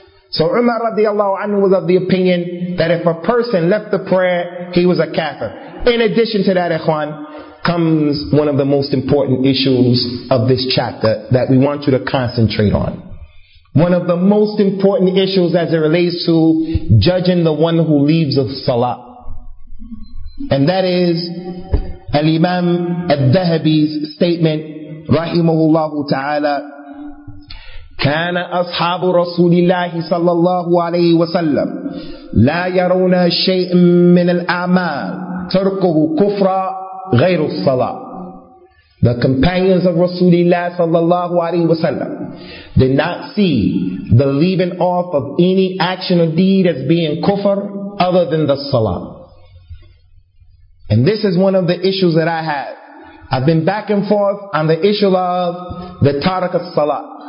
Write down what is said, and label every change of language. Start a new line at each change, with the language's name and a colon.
English: So Umar radiallahu anhu was of the opinion that if a person left the prayer, he was a kafir. In addition to that, ikhwan, comes one of the most important issues of this chapter that we want you to concentrate on. One of the most important issues as it relates to judging the one who leaves a salah. And that is Al-Imam al-Dhahabi's statement, rahimahullahu ta'ala,
Arabic: كان أصحاب رسول الله صلى الله عليه وسلم لا يرون شيئا من الأعمال تركه كفرا غير الصلاة.
English: The companions of Rasulullah
Arabic: صلى الله عليه وسلم
English: did not see the leaving off of any action or deed as being kufr other than the salah. And this is one of the issues that I have. I've been back and forth on the issue of the tarak al-salah.